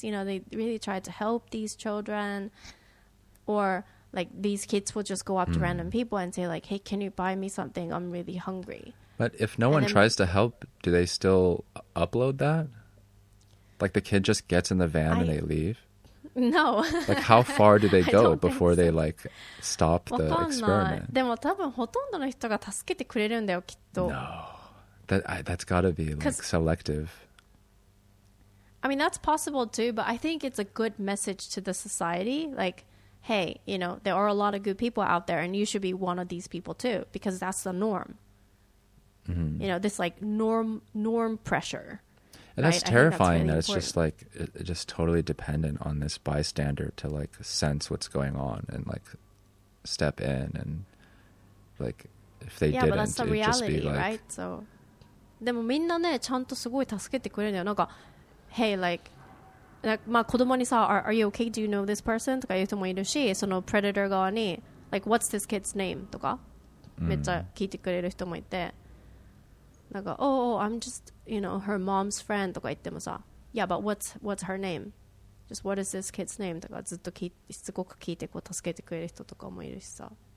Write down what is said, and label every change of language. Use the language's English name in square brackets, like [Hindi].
[English] You know, they really tried to help these children. Or like these kids will just go up to random people and say like, hey, can you buy me something? I'm really hungry. But if no one tries to help, do they still upload that? Like, the kid just gets in the van and they leave? No. Like, how far do they go before they, like, stop the experiment? [Japanese] でも多分ほとんどの人が助けてくれるんだよ、きっと。 [English] No. That's got to be, like, selective. I mean, that's possible too, but I think it's a good message to the society. Like, hey, you know, there are a lot of good people out there, and you should be one of these people too, because that's the norm. Mm-hmm. You know, this, like, norm pressure. And that's terrifying that it's just like, just totally dependent on this bystander to like sense what's going on and like step in. And like, if they didn't, it'd just be like, right? So, [Japanese] でもみんなね、ちゃんとすごい助けてくれるんだよ。なんか、 [English] hey, like, [Japanese] まあ子供にさ、 [English] are you okay? Do you know this person? [Japanese] とか言う人もいるし、そのプレデター側に、 [English] like, what's this kid's name? [Japanese] とか、めっちゃ聞いてくれる人もいて。 [English] なんか、oh, I'm just, you know, her mom's friend [Japanese] とか言ってもさ、 [English] yeah, but what's her name? Just what is this kid's name? [Japanese] とかずっと聞いて、すごく聞いてこう助けてくれる人とかもいるしさ。